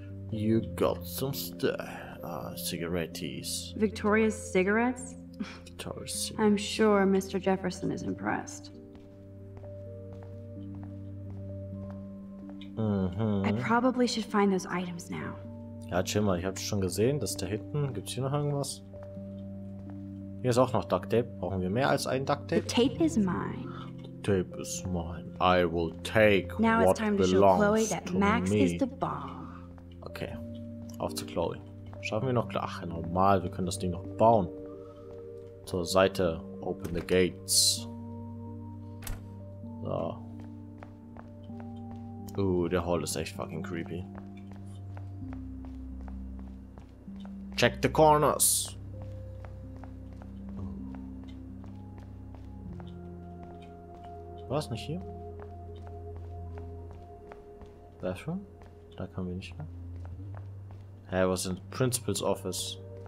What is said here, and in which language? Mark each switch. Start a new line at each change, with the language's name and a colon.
English: You got some cigarettes. Victoria's cigarettes? Victoria's cigarettes. I'm sure Mr. Jefferson is impressed. Mm-hmm. I probably should find those items now.
German: Ja, chill mal, ich hab's schon gesehen, das ist da hinten. Gibt's hier noch irgendwas? Hier ist auch noch Duct Tape. Brauchen wir mehr als ein Duct Tape?
English: The tape is mine. The tape is mine. I will take now what belongs to me. Now it's time to show Chloe that Max me. Is the bomb.
German: Okay, auf zu Chloe. Schaffen wir noch klar? Ach, normal, wir können das Ding noch bauen. Zur Seite.
English: Open the gates. So.
German: Der Hall ist echt fucking creepy.
English: Check the corners.
German: War es nicht hier? Bathroom? Da können wir nicht mehr. Hä, was ist in Principal's Office?